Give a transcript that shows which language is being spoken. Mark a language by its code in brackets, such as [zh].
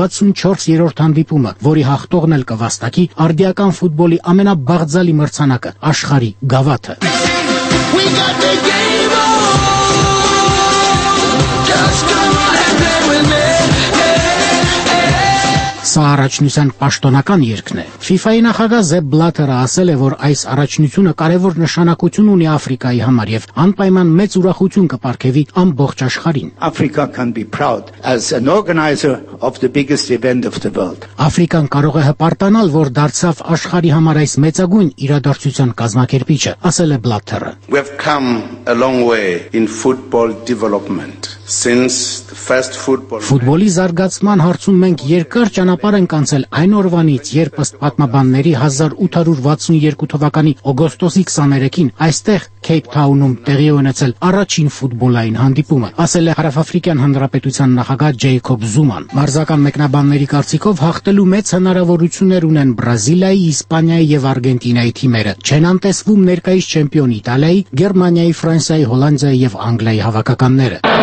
[hy] 64-րդ հանդիպումը, որի հաղթողն էլ կվաստակի արդիական ֆուտբոլի ամենաբաղձալի մրցանակը՝ աշխարհի գավաթը։ Սա առաջնության պաշտոնական երգն է։ FIFA-ի նախագահ Ζեփ Բլաթերը ասել է, որ այս առաջնությունը կարևոր նշանակություն ունի Աֆրիկայի համար և անպայման մեծ ուրախություն կպարգևի ամբողջ աշխարհին։ [en] Africa can be proud as an organizer of the biggest event of the world. [hy] Աֆրիկան կարող է հպարտանալ, որ դարձավ աշխարհի համար այս մեծագույն իրադարձության կազմակերպիչը, ասել է Բլաթերը։ [en] We have come a long way in football development. Since the first football [hy] Ֆուտբոլի զարգացման հարցում մենք երկար ճանապարհ ենք անցել այն օրվանից, երբ ըստ պատմաբանների 1862 թվականի օգոստոսի 23-ին այստեղ Քեյփ Թաունում տեղի ունեցել առաջին ֆուտբոլային հանդիպումը, ասել է Հարավաֆրիկյան Հանրապետության նախագահ Ջեյքոբ Զուման։ Մարզական մեկնաբանների կարծիքով հաղթելու մեծ հնարավորություններ ունեն Բրազիլիայի, Իսպանիայի և Արգենտինայի թիմերը, չեն անտեսվում ներկայիս չեմպիոն Իտալիայի, Գերմանիայի, Ֆրանսիայի, Հոլանդիայի և Անգլիայի հավաքականները։